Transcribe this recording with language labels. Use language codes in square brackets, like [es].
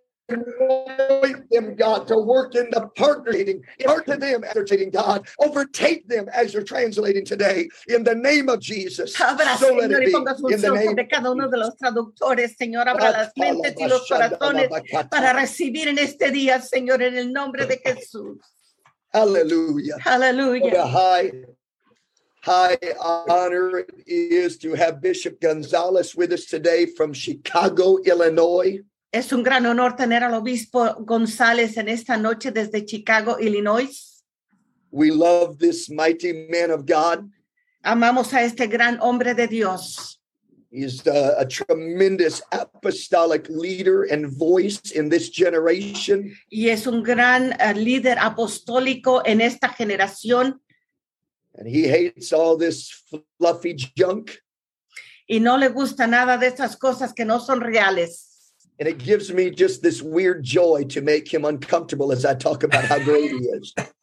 [en] Anoint them, God, to work in the partnering. Partner them as you're translating, God. Overtake them as you're translating today. In the name of Jesus. [es] Abra, so Señor, [en] let it be. In the name of [es] cada uno de los traductores, Señor. Abra las mentes y los corazones para recibir en este día, Señor, en el nombre de Jesús. [en] Hallelujah. Hallelujah. What a high, high honor it is to have Bishop Gonzalez with us today from Chicago, Illinois. [es] Es un gran honor tener al obispo González en esta noche desde Chicago, Illinois. [en] We love this mighty man of God. [es] Amamos a este gran hombre de Dios. [en] He's a tremendous apostolic leader and voice in this generation. [es] Y es un gran líder apostólico en esta generación. [en] And he hates all this fluffy junk. [es] Y no le gusta nada de estas cosas que no son reales. [en] And it gives me just this weird joy to make him uncomfortable as I talk about how great he is.